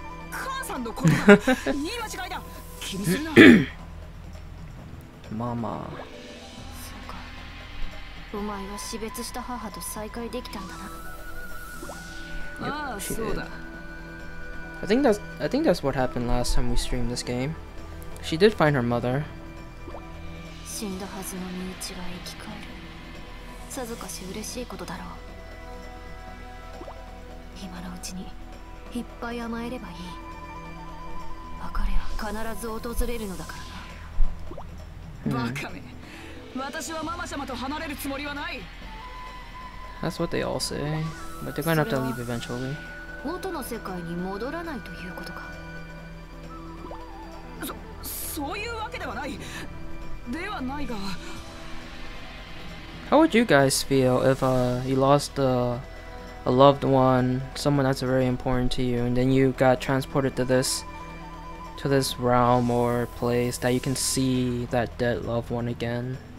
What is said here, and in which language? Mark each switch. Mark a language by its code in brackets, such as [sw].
[ja] 母さんのこと言い間違いだ。気にするな。ママ。そうか。お前は死別した母と再会できたんだな。ああ、そうだ。 [en] I think that's what happened last time we streamed this game. She did find her mother. [ja] 死んだはずの身内が生き返る。さぞかし嬉しいことだろう。今のうちにいっぱい甘えればいい。別れは必ず訪れるのだからな。バカめ。私はママ様と離れるつもりはない。 [en] That's what they all say. But they're gonna have to leave eventually. [ja] 元の世界に戻らないということか。そういうわけではない。ではないが、 [en] How would you guys feel if you lost a loved one, someone that's very important to you, and then you got transported to this realm or place that you can see that dead loved one again?